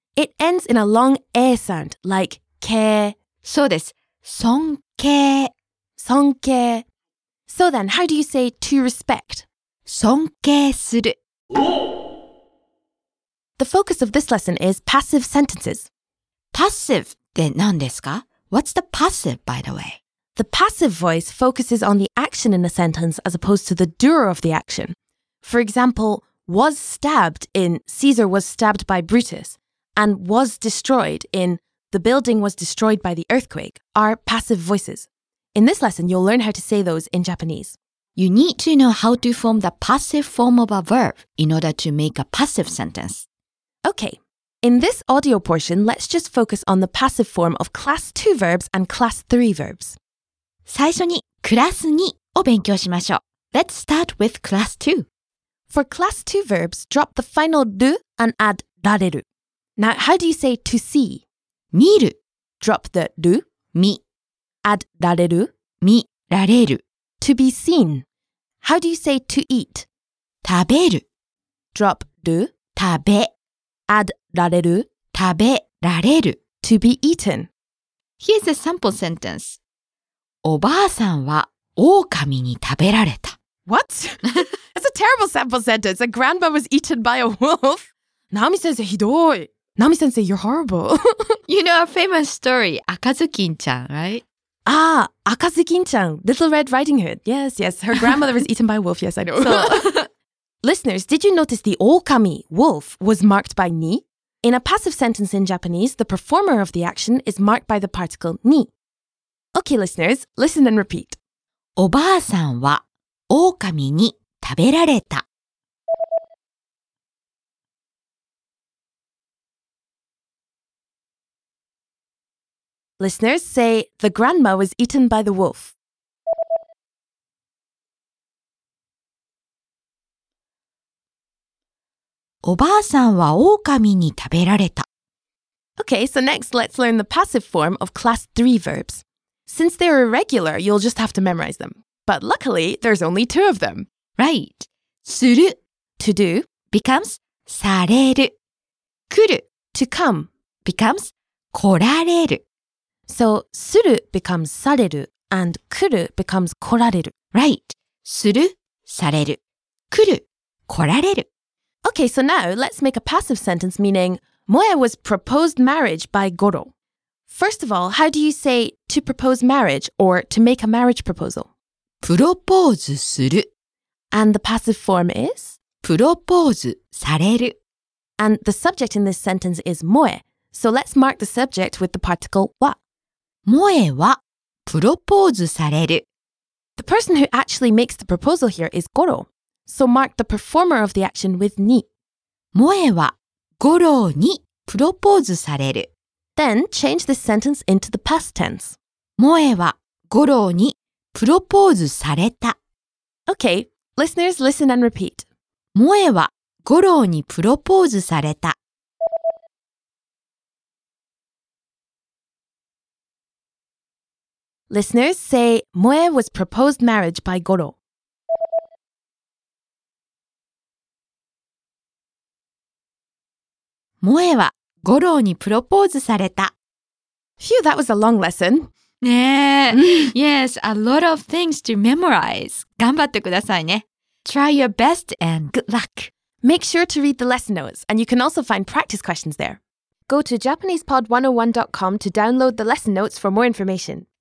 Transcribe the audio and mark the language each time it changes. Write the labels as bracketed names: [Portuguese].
[English] It ends in a long A sound, like 敬。 [Japanese] そうです。尊敬。尊敬。 [English] So then, how do you say to respect? [Japanese] 尊敬する。 [English] The focus of this lesson is passive sentences. [Japanese] Passive って何ですか? [English] What's the passive, by the way? The passive voice focuses on the action in the sentence as opposed to the doer of the action. For example, was stabbed in Caesar was stabbed by Brutus and was destroyed in the building was destroyed by the earthquake are passive voices. In this lesson, you'll learn how to say those in Japanese. You need to know how to form the passive form of a verb in order to make a passive sentence. Okay, in this audio portion, let's just focus on the passive form of class 2 verbs and class 3 verbs. [Japanese] 最初にクラス2を勉強しましょう。 [English] Let's start with class 2. For class 2 verbs, drop the final る and add られる. Now, how do you say to see? [Japanese] 見る. [English] Drop the る. [Japanese] 見. [English] Add られる. [Japanese] 見られる. [English] To be seen. How do you say to eat? [Japanese] 食べる. [English] Drop る. [Japanese] 食べ. [English] Add られる, [Japanese] 食べられる, [English] to be eaten. Here's a sample sentence. [Japanese] おばあさんは狼に食べられた。 [English] What? That's a terrible sample sentence. A grandma was eaten by a wolf. [Japanese] Nami 先生ひどい。 [English] Nami 先生 you're horrible. You know a famous story, 赤ずきんちゃん, right? Ah, 赤ずきんちゃん, Little Red Riding Hood. Yes, yes, her grandmother was eaten by a wolf. Yes, I know. So... Listeners, did you notice the okami, wolf, was marked by ni? In a passive sentence in Japanese, the performer of the action is marked by the particle ni. Okay, listeners, listen and repeat. [Japanese] おばあさんはオオカミに食べられた。 [English] Listeners, say the grandma was eaten by the wolf. [Japanese] おばあさんはオオカミに食べられた。 [English] Okay, so next let's learn the passive form of class 3 verbs. Since they're irregular, you'll just have to memorize them. But luckily, there's only two of them. Right. する to do becomes される。来る to come becomes 来られる。 So, する becomes される and 来る becomes 来られる。 [Japanese] Right. するされる。来る来られる。 [English] Okay, so now let's make a passive sentence meaning Moe was proposed marriage by Goro. First of all, how do you say to propose marriage or to make a marriage proposal? Propose する. And the passive form is? Propose される. And the subject in this sentence is Moe. So let's mark the subject with the particle wa. [Japanese] Moe wa propose される. [English] The person who actually makes the proposal here is Goro. So mark the performer of the action with に. [Japanese] Moe wa Goro ni propose される. [English] Then change this sentence into the past tense. [Japanese] Moe wa Goro ni propose された. [English] Okay, listeners, listen and repeat. [Japanese] Moe wa Goro ni propose された. [English] Listeners say Moe was proposed marriage by Goro. [Japanese] 萌えは五郎にプロポーズされた。 [English] Phew, that was a long lesson. Yes, a lot of things to memorize. [Japanese] 頑張ってくださいね。 [English] Try your best and good luck. Make sure to read the lesson notes, and you can also find practice questions there. Go to JapanesePod101.com to download the lesson notes for more information.